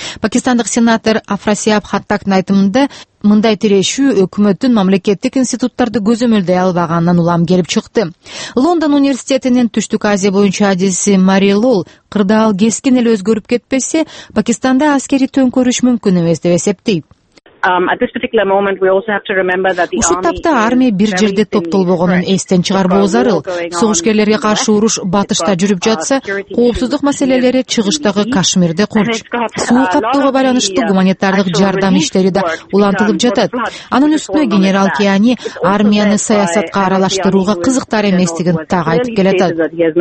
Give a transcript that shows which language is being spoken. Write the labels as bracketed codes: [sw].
[ky] Пакистандык сенатор Афрасияб Хаттактын айтымында мындай тирешүү өкмөттүн мамлекеттик институттарды көзөмөлдөй албаганынан улам келип чыкты. Лондон университетинин Түштүк Азия боюнча адиси Мари Лол кырдаал кескин эле өзгөрүп кетпесе, Пакистанда аскерий төңкөрүш мүмкүн эмес деп эсептейт. [en] At this particular moment we also have to remember that the [ky] Ушул тапта армия бир жерде топтолбогонун эстен чыгарбоо зарыл. Согушкерлерге каршы уруш батышта жүрүп жатса, коопсуздук маселелери чыгыштагы Кашмирде курч. Суу каптоого байланыштуу гуманитардык жардам иштери да улантылып жатат. Анын үстүнө генерал Киани армияны саясатка аралаштырууга кызыктар эместигин так айтып келатат.